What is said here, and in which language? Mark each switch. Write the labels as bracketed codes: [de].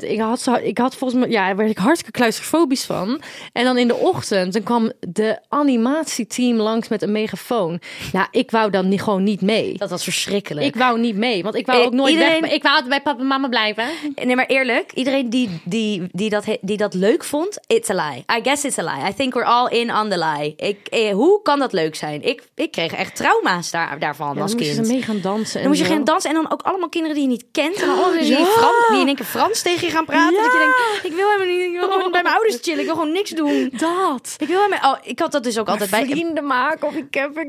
[nl] Daar werd ik hartstikke claustrofobisch van. En dan in de ochtend, dan kwam de animatieteam langs met een megafoon. Ja, ik wou dan gewoon niet mee. Dat was verschrikkelijk. Ik wou niet mee, want ik wou ook nooit iedereen... weg. Ik wou altijd bij papa en mama blijven. Nee, maar eerlijk, iedereen die dat leuk vond, [en] it's a lie. I guess it's a lie. I think we're all in on the lie. [nl] Hoe kan dat leuk zijn? Ik kreeg echt trauma's daarvan als kind. Dan moest je mee gaan dansen. Dan moest je gaan dansen en dan ook allemaal kinderen die je niet kent. En die in één keer Frans tegen je gaan praten. Ja. Dat je denkt, ik wil helemaal niet. Ik wil gewoon bij mijn ouders chillen. Ik wil gewoon niks doen. Dat. Ik had dat dus ook altijd bij. Vrienden maken op een camping.